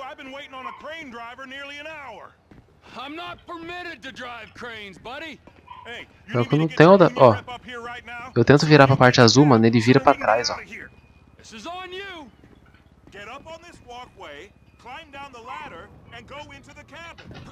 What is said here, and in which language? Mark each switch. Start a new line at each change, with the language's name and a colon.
English: I've been waiting on a crane driver nearly an hour. I'm not permitted to drive cranes, buddy.
Portuguese: Hey, eu não tenho da... Ó, eu tento virar pra parte azul, mano, ele vira pra trás, ó.
English: This is on you. Get up on this walkway, climb down the ladder and go into the cabin.